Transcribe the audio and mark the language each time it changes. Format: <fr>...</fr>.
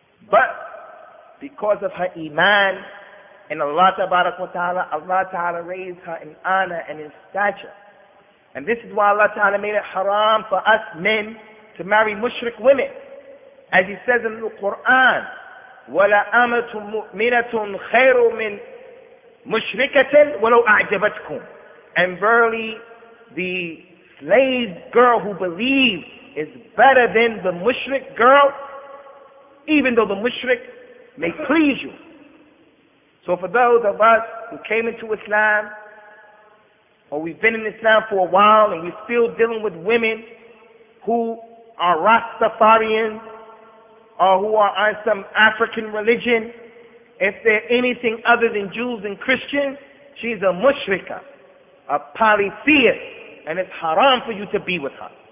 <en>But because of her iman in Allah tabarak wa ta'ala, Allah ta'ala raised her in honor and in stature. And this is why Allah ta'ala made it haram for us men to marry mushrik women. As he says in the Quran,</en> <ar>وَلَا أَمَةٌ مُؤْمِنَةٌ خَيْرٌ مِنْ مُشْرِكَةٍ وَلَوْ أَعْجَبَتْكُمْ.</ar> <en>And verily, the slave girl who believes is better than the mushrik girl, even though the mushrik may please you. So for those of us who came into Islam, or we've been in Islam for a while, and we're still dealing with women who are Rastafarians, or who are on some African religion, if they're anything other than Jews and Christians, she's a mushrika, a polytheist, and it's haram for you to be with her.</en>